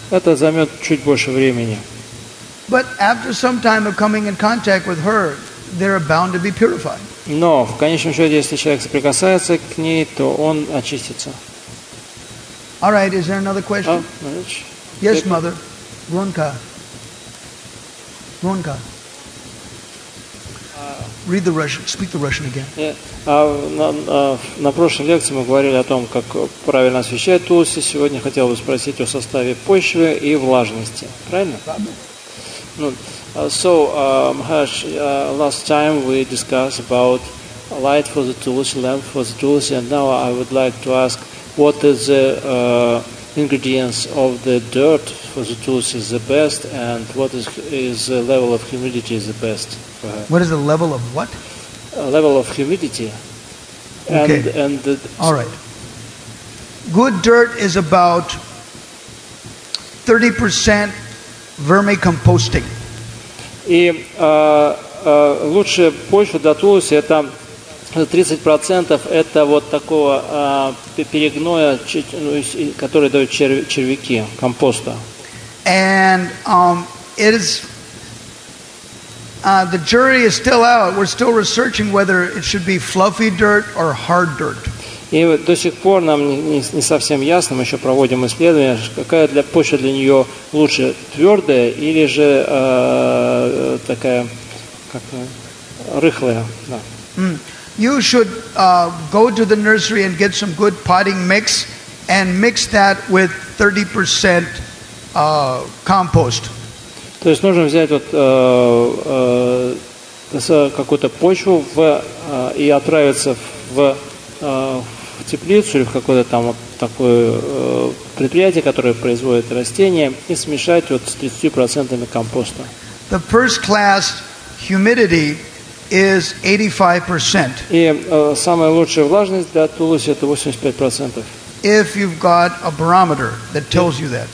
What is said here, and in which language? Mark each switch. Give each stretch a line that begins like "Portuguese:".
Russian: Это займет чуть больше времени.
English: But after some time of coming in contact with her, they're bound to be purified.
Russian: Но в конечном счете, если человек соприкасается к ней, то он очистится.
English: All right, is there another question? Yes, mother. Runka. Runka. Read the Russian. Speak the Russian again.
Russian: На прошлой лекции мы говорили о том, как правильно освещать тулси. Сегодня хотел бы спросить о составе почвы и влажности. Правильно?
English: Maharaj, last time we discussed about light for the tulsi, lamp for the tulsi, and now I would like to ask what is the ingredients of the dirt for the tulsi is the best, and what is the level of humidity is the best? What is the level of what? Level of humidity. Okay. And the, all right. Good dirt is about 30%. Vermicomposting.
Russian: И лучшая почва для тулуси это 30% это вот такого перегноя, который дают червяки компоста.
English: And it is the jury is still out. We're still researching whether it should be fluffy dirt or hard dirt.
Russian: И до сих пор нам не совсем ясно, мы еще проводим исследования, какая для почвы для нее лучше, твердая или же такая как рыхлая. Да.
English: You should go to the nursery and get some good potting mix and mix that with 30% compost.
Russian: То есть нужно взять вот какую-то почву в, и отправиться в теплицу или в какое-то там вот такое предприятие, которое производит растения, и смешать вот с 30% компоста.
English: The first class humidity is 85%.
Russian: И самая лучшая влажность для тулуси это 85%.
English: If you've got a barometer that tells you that.